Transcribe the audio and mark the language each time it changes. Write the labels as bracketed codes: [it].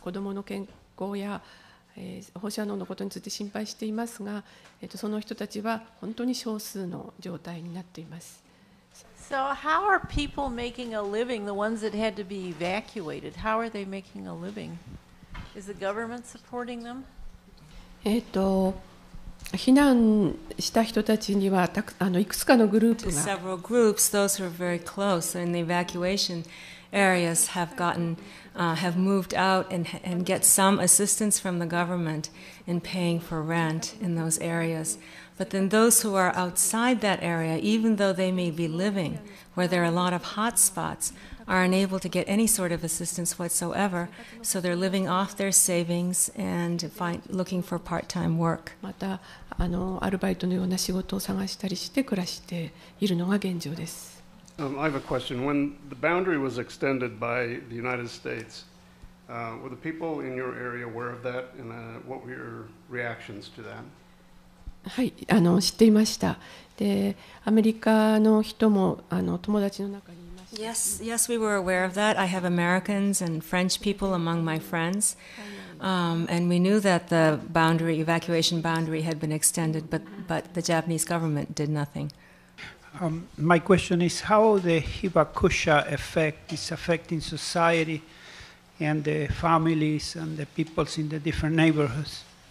[ja] 子どもの健康や放射能のことについて心配していますが、その人たちは本当に少数の状態になっています。 [en] So how are people making a living? The ones that had to be evacuated, how are they making a living? Is the government supporting them? [ja] 避難した人たちにはいくつかのグループが [en] several groups, those who are very close in the evacuation areas have gotten, have moved out and get some assistance from the government in paying for rent in those areas. But then those who are outside that area, even though they may be living where there are a lot of hot spots, are unable to get any sort of assistance whatsoever, so they're living off their savings and looking for part-time work. [ja] また、アルバイトのような仕事を探したりして暮らしているのが現状です。 [en] I have a question. When the boundary was extended by the United States, were the people in your area aware of that, and what were your reactions to that? [ja] はい、知っていました。で、アメリカの人も友達の中に。 [en] Yes, yes, we were aware of that. I have Americans and French people among my friends. And we knew that the boundary, evacuation boundary had been extended, but the Japanese government did nothing. My question is how the hibakusha effect is affecting society and the families and the peoples in the different neighborhoods.